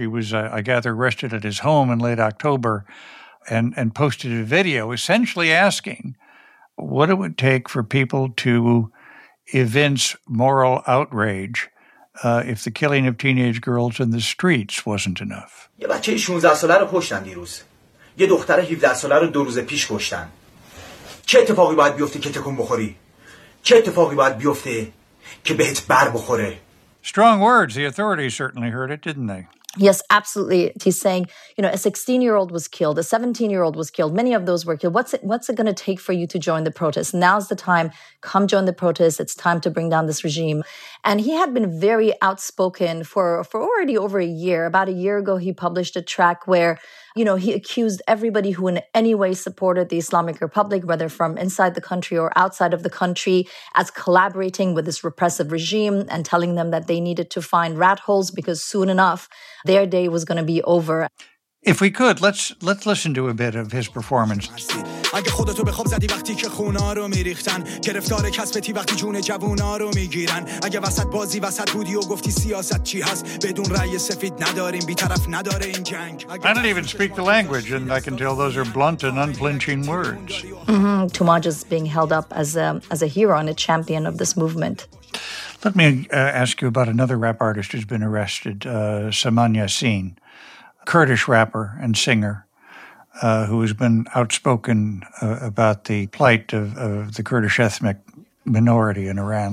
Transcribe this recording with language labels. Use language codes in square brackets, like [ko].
[en] He was, I gather, arrested at his home in late October and posted a video essentially asking what it would take for people to evince moral outrage if the killing of teenage girls in the streets wasn't enough. [fa] یه بچه 16 ساله رو کشتن دیروز. یه دختر 17 ساله رو دو روز پیش کشتن. چه اتفاقی باید بیفته که تکون بخوری؟ چه اتفاقی باید بیفته که بهت بر بخوره؟ [en] Strong words. The authorities certainly heard it, didn't they? Yes, absolutely. He's saying, you know, a 16-year-old was killed, a 17-year-old was killed, many of those were killed. What's it going to take for you to join the protest? Now's the time. Come join the protest. It's time to bring down this regime. And he had been very outspoken for already over a year. About a year ago, he published a track where, you know, he accused everybody who in any way supported the Islamic Republic, whether from inside the country or outside of the country, as collaborating with this repressive regime and telling them that they needed to find rat holes because soon enough, their day was going to be over. If we could, let's listen to a bit of his performance. [fa] اگه خودتو به خواب زدی وقتی که خونا رو میریختن گرفتار کسبتی وقتی جون جوونا رو میگیرن اگه وسط بازی وسط بودی و گفتی سیاست چی هست بدون رأی سفید نداریم بی‌طرف نداره این جنگ. [en] I don't even speak the language and I can tell those are blunt and unflinching words. Tumaj is being held up as a hero and a champion of this movement. Let me ask you about another rap artist who's been arrested, Saman Yasin, a Kurdish rapper and singer who has been outspoken about the plight of the Kurdish ethnic minority in Iran.